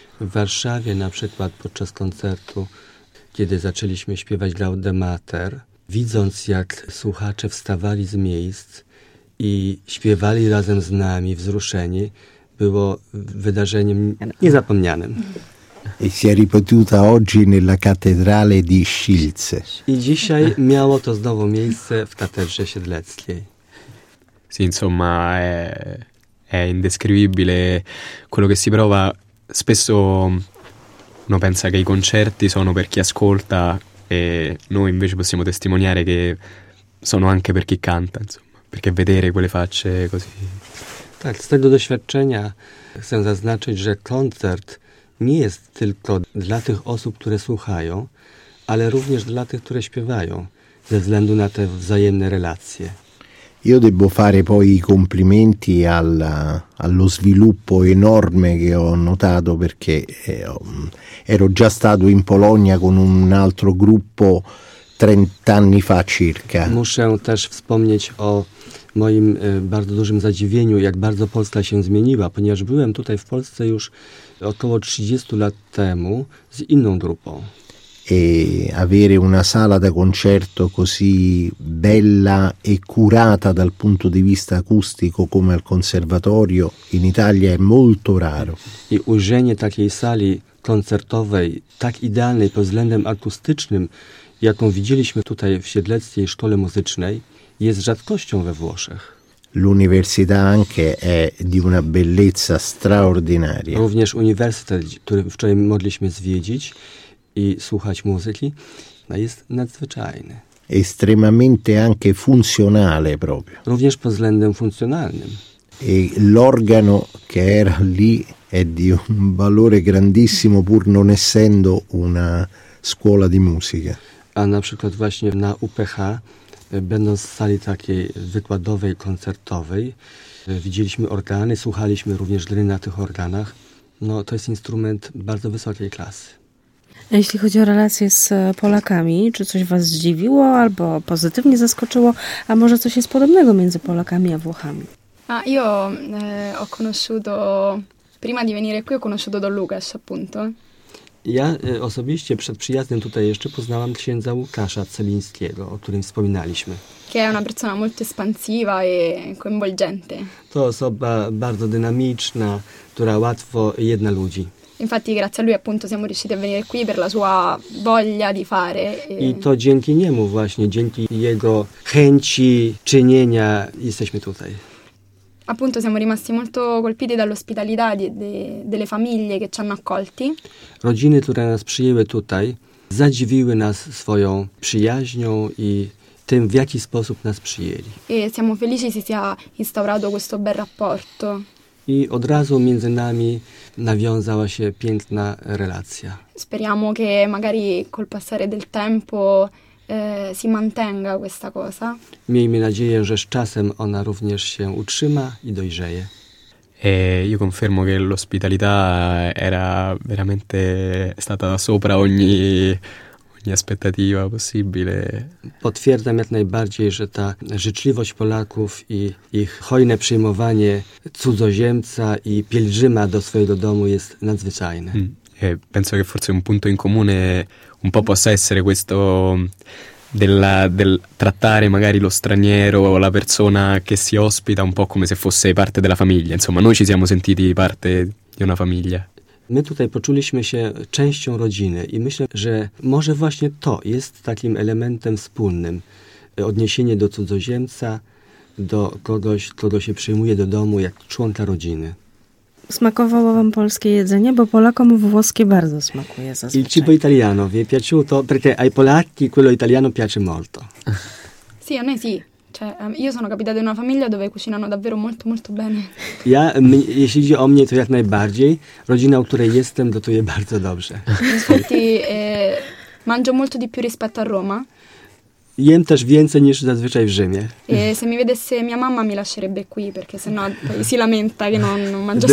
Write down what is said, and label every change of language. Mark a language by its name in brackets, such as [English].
[Polish] W Warszawie na przykład podczas koncertu, kiedy zaczęliśmy śpiewać Gaude Mater, widząc jak słuchacze wstawali z miejsc i śpiewali razem z nami wzruszeni, było wydarzeniem niezapomnianym. [Italian] E si è ripetuta oggi nella cattedrale di Szilce. [Polish] I dzisiaj miało to znowu miejsce w katedrze siedleckiej. [Italian] Sì, insomma, è indescrivibile quello che si prova. Spesso uno pensa che i concerti sono per chi ascolta e noi invece possiamo testimoniare che sono anche per chi canta, insomma, perché vedere quelle facce così. [Polish] Tak, z tego doświadczenia chcę zaznaczyć, że koncert nie jest tylko dla tych osób, które słuchają, ale również dla tych, które śpiewają, ze względu na te wzajemne relacje. [Italian] Io devo fare poi i complimenti allo sviluppo enorme che ho notato perché ero già stato in Polonia con un altro gruppo 30 anni fa circa. [Polish] Muszę też wspomnieć o moim bardzo dużym zadziwieniu, jak bardzo Polska się zmieniła, ponieważ byłem tutaj w Polsce już około 30 lat temu z inną grupą. [Italian] E avere una sala da concerto così bella e curata dal punto di vista acustico come al conservatorio in Italia è molto raro. [Polish] I ujrzenie takiej sali koncertowej, tak idealnej pod względem akustycznym, jaką widzieliśmy tutaj w Siedleckiej Szkole Muzycznej, jest rzadkością we Włoszech. [Italian] L'università anche è di una bellezza straordinaria. [Polish] Również uniwersytet, który wczoraj mogliśmy zwiedzić, i słuchać muzyki, no jest nadzwyczajny. [Italian] Estremamente anche funzionale proprio. [Polish] Również pod względem funkcjonalnym. [Italian] E l'organo che era lì è di un valore grandissimo pur non essendo una scuola di musica. [Polish] A na przykład właśnie na UPH, będąc w sali takiej wykładowej, koncertowej, widzieliśmy organy, słuchaliśmy również gry na tych organach. No to jest instrument bardzo wysokiej klasy. A jeśli chodzi o relacje z Polakami, czy coś was zdziwiło albo pozytywnie zaskoczyło, a może coś jest podobnego między Polakami a Włochami? [Italian] A io ho conosciuto, prima di venire qui ho conosciuto Don Lukasz, appunto. [Polish] Ja osobiście przed przyjazdem tutaj jeszcze poznałam księdza Łukasza Celińskiego, o którym wspominaliśmy. [Italian] Che è una persona molto espansiva e coinvolgente. [Polish] To osoba bardzo dynamiczna, która łatwo jedna ludzi. [Italian] Infatti grazie a lui appunto siamo riusciti a venire qui per la sua voglia di fare. [Polish] I to dzięki niemu właśnie, dzięki jego chęci czynienia jesteśmy tutaj. [Italian] Appunto siamo rimasti molto colpiti dall'ospitalità delle famiglie che ci hanno accolti. [Polish] Rodziny, które nas przyjęły tutaj, zadziwiły nas swoją przyjaźnią i tym, w jaki sposób nas przyjęli. [Italian] E siamo felici si sia instaurato questo bel rapporto. [Polish] I od razu między nami nawiązała się piękna relacja. [Italian] Speriamo che magari col passare del tempo si mantenga questa cosa. [Polish] Miejmy nadzieję, że z czasem ona również się utrzyma i dojrzeje. [Italian] E io confermo che l'ospitalità era veramente stata sopra ogni aspettativa possibile. [Polish] Potwierdzam jak najbardziej, że ta życzliwość Polaków i ich hojne przyjmowanie cudzoziemca i pielgrzyma do swojego domu jest nadzwyczajne. [Italian] E penso che forse un punto in comune un po' possa essere questo del trattare magari lo straniero o la persona che si ospita un po' come se fosse parte della famiglia. Insomma, noi ci siamo sentiti parte di una famiglia. [Polish] My tutaj poczuliśmy się częścią rodziny i myślę, że może właśnie to jest takim elementem wspólnym. Odniesienie do cudzoziemca, do kogoś, kogo się przyjmuje do domu jak członka rodziny. Smakowało wam polskie jedzenie, bo Polakom włoskie bardzo smakuje zazwyczaj. [Italian] Il cibo italiano, vi è piaciuto? Perché ai polacchi quello italiano piace molto. Sì, a noi sì. Cioè, io sono capitata in una famiglia dove cucinano davvero molto, molto bene. [Polish] Ja, jeśli chodzi o mnie, to jak najbardziej. Rodzina, u której jestem, gotuje bardzo dobrze. [Italian] Infatti, mangio molto di più rispetto a Roma. [Polish] Jem też więcej niż zazwyczaj w Rzymie. [Italian] Se mi vedesse mia mamma mi lascerebbe qui, perché sennò si lamenta che non mangio sufficienza.